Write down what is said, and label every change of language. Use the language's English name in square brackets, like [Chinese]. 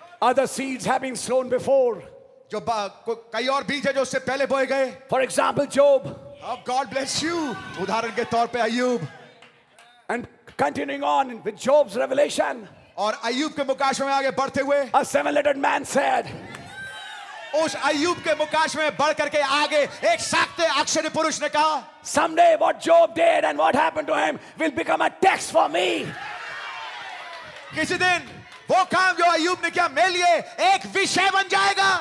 [English] Other seeds have been sown before. [Hindi] जो कई और बीज हैं जो उससे पहले बोए गए. [English] For example, Job. Oh God bless you. [Hindi] उदाहरण के तौर पे अय्यूब. [English] And continuing on with Job's revelation. [Hindi] और अय्यूब के मुकाशे में आगे बढ़ते हुए. [English] A seven-letter man said. [Hindi] उस अय्यूब के मुकाश में बढ़ करके आगे एक सात अक्षर पुरुष ने कहा [English] someday what job did and what happened to him will become a text for me [Hindi] किसी दिन वो काम जो अय्यूब ने किया मेरे लिए एक विषय बन जाएगा